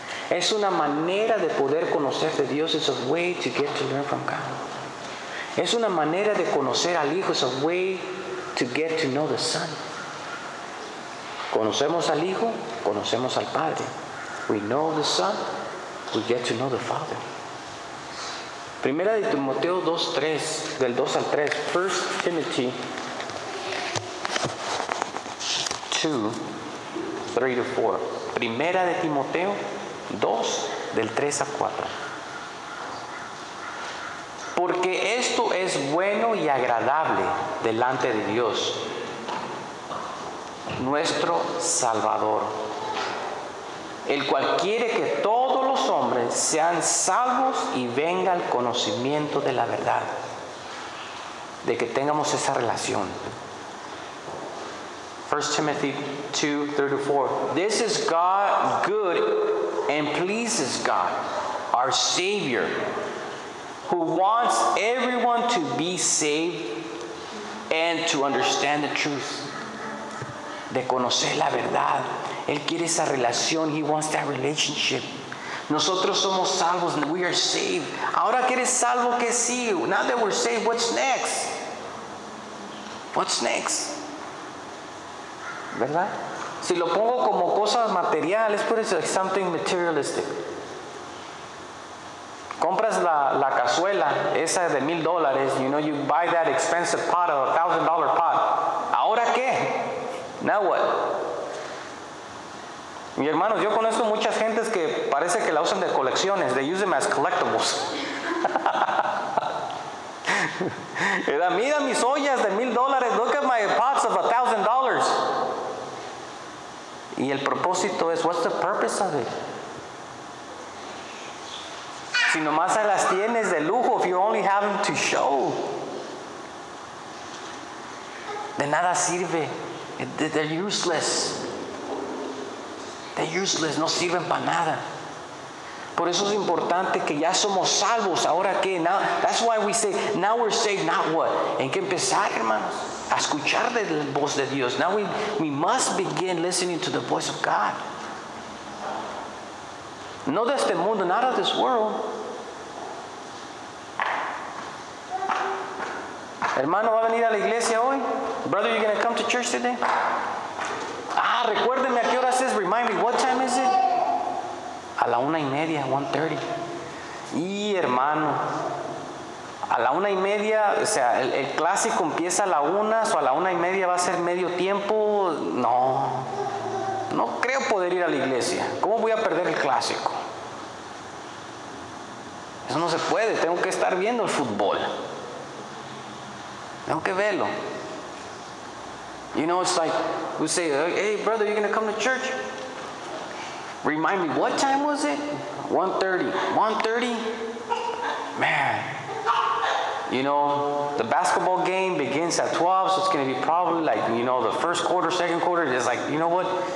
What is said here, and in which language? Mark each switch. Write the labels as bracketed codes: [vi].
[es] Es una manera de poder conocer de Dios. [en] It's a way to get to learn from God. [es] Es una manera de conocer al Hijo. [en] It's a way to get to know the Son. [es] Conocemos al Hijo, conocemos al Padre. [en] We know the Son, we get to know the Father. [es] Primera de Timoteo 2:3, del 2 al 3. [en] 1 Timothy 2:3-4. [es] Primera de Timoteo 2, del 3 al 4. Porque esto es bueno y agradable delante de Dios, nuestro Salvador, el cual quiere que todos los hombres sean salvos y venga al conocimiento de la verdad, de que tengamos esa relación. [en] 1 Timothy 2:3-4. This is God good and pleases God, our Savior, who wants everyone to be saved and to understand the truth. [es] De conocer la verdad. Él quiere esa relación. [en] He wants that relationship. [es] Nosotros somos salvos. [en] We are saved. [es] Ahora que eres salvo, ¿qué sigue? [en] Now that we're saved, what's next? What's next? [es] ¿Verdad? Si lo pongo como cosas materiales, [en] put it like something materialistic. [es] Compras la cazuela, esa de $1,000. [en] You know, you buy that expensive pot, of $1,000 pot. [es] ¿Ahora qué? [en] Now what? [es] Mi hermano, yo conozco muchas gentes que parece que la usan de colecciones. [en] They use them as collectibles. [es] Era, mira mis ollas de $1,000. [en] Look at my pots of $1,000. [es] Y el propósito es, [en] what's the purpose of it? [es] Si nomás las tienes de lujo, [en] if you only have them to show, [es] de nada sirve. [en] They're useless. They're useless. [es] No sirven para nada. Por eso es importante que ya somos salvos. ¿Ahora qué? [en] Now, that's why we say, now we're saved, now what? [es] ¿En qué empezar, hermanos? A escuchar de la voz de Dios. [en] Now we must begin listening to the voice of God. [es] No de este mundo, [en] not of this world. [es] Hermano, ¿va a venir a la iglesia hoy? [en] Brother, you're going to come to church today? [es] Ah, recuérdeme a qué hora es. [en] Remind me, what time is it? [es] A la 1:30, [en] 1:30. [es] Y hermano, a la 1:30, o sea, el clásico empieza a la 1, o a la 1:30 va a ser medio tiempo. No, no creo poder ir a la iglesia. ¿Cómo voy a perder el clásico? Eso no se puede, tengo que estar viendo el fútbol. Tengo que verlo. [en] You know, it's like, we say, hey, brother, you're going to come to church? Remind me, what time was it? 1:30. 1:30? Man. You know, the basketball game begins at 12, so it's going to be probably like, you know, the first quarter, second quarter. It's like, you know what?